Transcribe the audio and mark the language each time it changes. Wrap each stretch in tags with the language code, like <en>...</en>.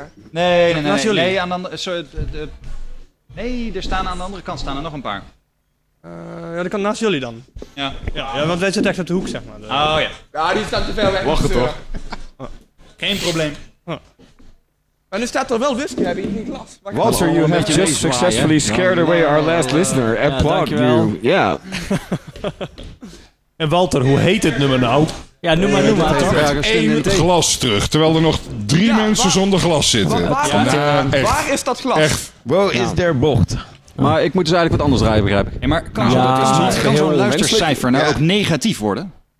<nl>Nee. Nee, er staan aan de andere kant staan er nog een paar. Ja, dat kan naast jullie dan. Ja. Ja, want wij zitten echt op de hoek, zeg maar. Oh ja. Ja, die staat te veel weg. Wacht het toch. Geen probleem. Maar nu staat er wel whisky, heb je niet glas.</nl> <en>Walter, you have just successfully scared away our last listener. Applaud you. Ja.</en> <nl>En Walter, hoe heet het nummer nou? Ja, noem maar toch. Ja, één glas terug, terwijl er nog drie mensen zonder glas zitten. Waar is dat glas? Echt. Well, is der bocht. Maar ik moet dus eigenlijk wat anders draaien, begrijp ik. Hey, maar kan zo'n luistercijfer nou ook negatief worden?</nl>